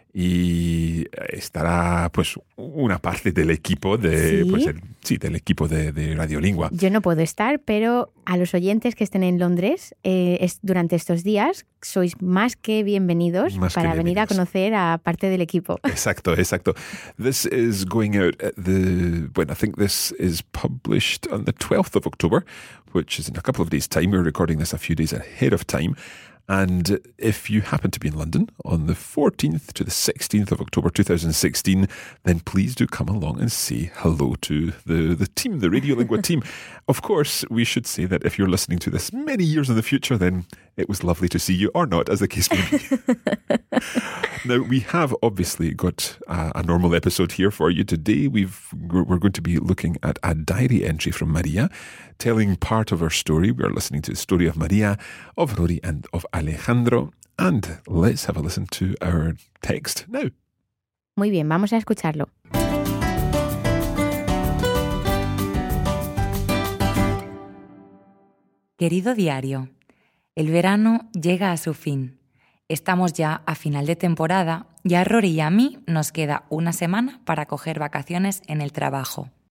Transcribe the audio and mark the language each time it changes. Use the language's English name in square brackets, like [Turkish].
[Spanish] Y estará pues una parte del equipo de del equipo de Radiolingua. Yo no puedo estar, pero a los oyentes que estén en Londres durante estos días sois más que bienvenidos venir a conocer a parte del equipo. Exacto, exacto. [English] This is going out I think this is published on the 12th of October, which is in a couple of days' time. We're recording this a few days ahead of time. And if you happen to be in London on the 14th to the 16th of October 2016, then please do come along and say hello to the team, the Radiolingua team. Of course, we should say that if you're listening to this many years in the future, then it was lovely to see you, or not, as the case may be. Now, we have obviously got a normal episode here for you today. We're going to be looking at a diary entry from Maria, telling part of her story. We are listening to the story of Maria, of Rory, and of Alejandro. And let's have a listen to our text now. [Spanish] Muy bien, vamos a escucharlo. Querido diario, el verano llega a su fin. Estamos ya a final de temporada y a Rory y a mí nos queda una semana para coger vacaciones en el trabajo.